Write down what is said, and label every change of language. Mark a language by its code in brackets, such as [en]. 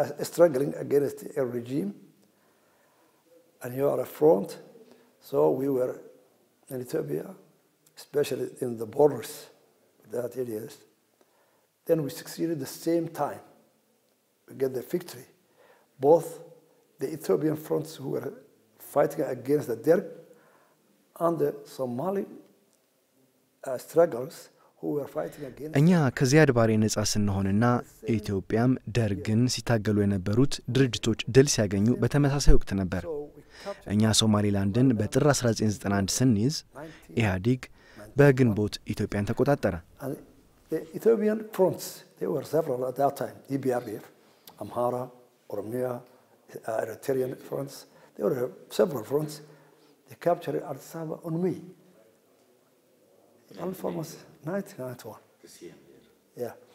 [en] Struggling against a regime and you are a front so we were in Ethiopia especially in the borders that areas then we succeeded the same time to get the victory both the Ethiopian fronts who were fighting against the Derg and the Somali struggles who were fighting against [am] እኛ ከዚያድ ባሪ ንጻ ስንሆንና ኢትዮጵያም ደርግን ሲታገሉ የነበሩት ድርጅቶች ድል ሲያገኙ በተመሳሳይ ወቅት ነበር። እኛ ሶማሊላንድን በጥር 1991 ስንይዝ ኢህአዲግ በግንቦት ኢትዮጵያን ተቆጣጠረ። [en] The Ethiopian fronts there were several at that time EBRDF Amhara Oromia, Eritrean fronts, there were several fronts. They captured Arsaba on me. Almost 1991. Yeah.